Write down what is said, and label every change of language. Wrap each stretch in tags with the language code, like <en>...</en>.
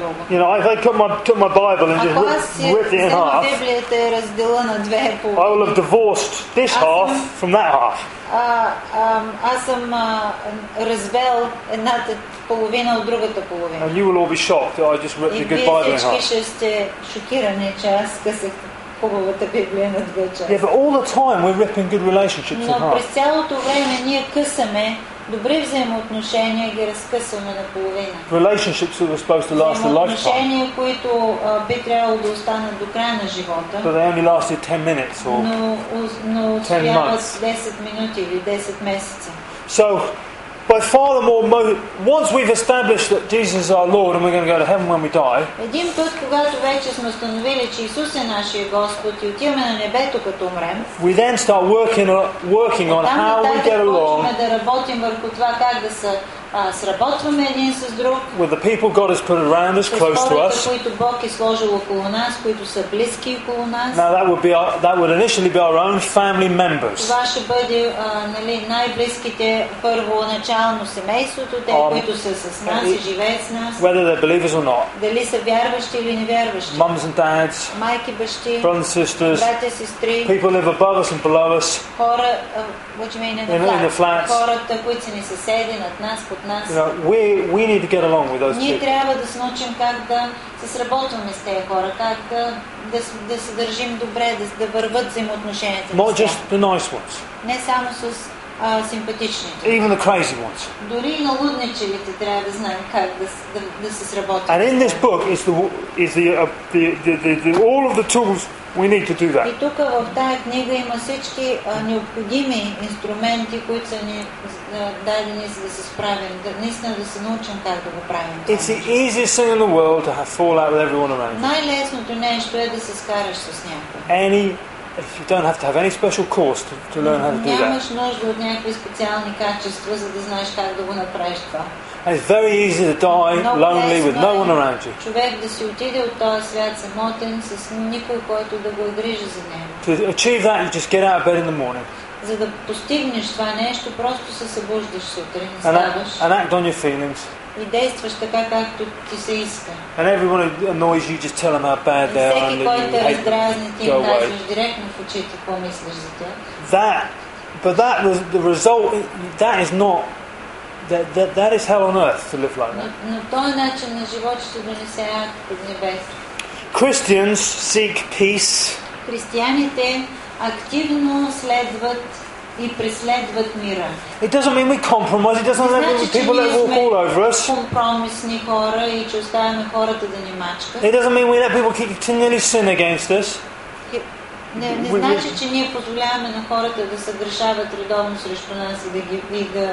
<en>You know, if I took my Bible and just ripped it in half, I will have divorced this half from that half.</en> <bg>Аз съм развел едната половина от другата половина.</bg> <en>And you will all be shocked that I just ripped the good Bible in half.</en> <bg>И вие ще сте шокирани, че аз късах хубавата Библия на две части.</bg> <en>Yeah, but all the time we're ripping good relationships in half.</en> <bg>Но през цялото време ние късаме добри взаимоотношения и ги разкъсваме на половина.</bg> <en>Relationships that were supposed to last a lifetime.</en> <bg>Отношения, които би трябвало да останат до края на живота.</bg> <en>But they only lasted 10 minutes or 10 months.</en> <bg>10 минути или 10 месеца.</bg> <en>So, by far the more, once we've established that Jesus is our Lord and we're going to go to heaven when we die.</en> <bg>Един път, когато вече сме установили, че Исус е нашия Господ и отиваме на небето като умрем,</bg> <en>we then start working on how we get along.</en> <bg>Да работим върху това как да се сработваме един с друг.</bg> <en>With the people God has put around us, close to us.</en> <bg>Които Бог е сложил около нас, които са близки около нас.</bg> <en>Now that would initially be our own family members.</en> <bg>Това ще бъде, нали, най-близките първоначално семейството, те които са с нас и живеят с нас.</bg> <en>Whether they're believers or not.</en> <bg>Дали са вярващи или невярващи.</bg> <en>Moms and dads.</en> <bg>Майки, бащи.</bg> <en>Brothers and sisters.</en> <bg>Братя и сестри.</bg> <en>People live above us and below us.</en> <bg>Хора,</bg> <en>in the flats.</en> <bg>Хората, които са ни съседи, над нас, под нас.</bg> <en>You know, we need to get along with those</en> <bg>ние Ние трябва да се научим как да се сработваме с тези хора, как да се държим добре, да върват взаимоотношенията.</bg> <en>Not just the nice ones.</en> <bg>Не само с симпатичните.</bg> <en>Even the crazy ones.</en> <bg>Дори и на лудничевите трябва да знаем как да се сработваме.</bg> <en>And in this book is the all of the tools. We need to do that.</en> <bg>И тук в тая книга има всички необходими инструменти, които са ни дадени за да се справим, наистина да се научим как да го правим.</bg> <en>It's the easiest thing in the world to have fallout with everyone around you.</en> <bg>Най-лесното нещо е да се скараш с някой.</bg> <en>If you don't have to have any special course to learn how to do that.</en> <bg>Нямаш нужда от някакви специални качества, за да знаеш как да го направиш това.</bg> <en>And it's very easy to die lonely with no one around you.</en> <bg>Човек да си отиде от този свят самотен, с никой, който да го грижи за него.</bg> <en>To achieve that, you just get out of bed in the morning.</en> <bg>За да постигнеш това нещо, просто се събуждаш сутрин, ставаш.</bg> <en>And act on your feelings.</en> <bg>И действаш така, както ти се иска.</bg> <en>And everyone who annoys you, just tell them how bad they are.</en> <bg>Всеки, който раздразни, ти им кажеш директно в очите, какво мислиш за тях.</bg> <en>The result, that is not. That is hell on earth to live like that. Christians seek peace.</en> <bg>Християните активно следват и преследват мира.</bg> <en>It doesn't mean we compromise. It doesn't mean that people let walk all over us.</en> <bg>Компромисни хора и че оставяме хората да ни мачкат.</bg> <en>It doesn't mean we let people keep continually sin against us.</en> <bg>Не значи, че ние позволяваме на хората да се грешават редовно срещу нас и да ги</bg>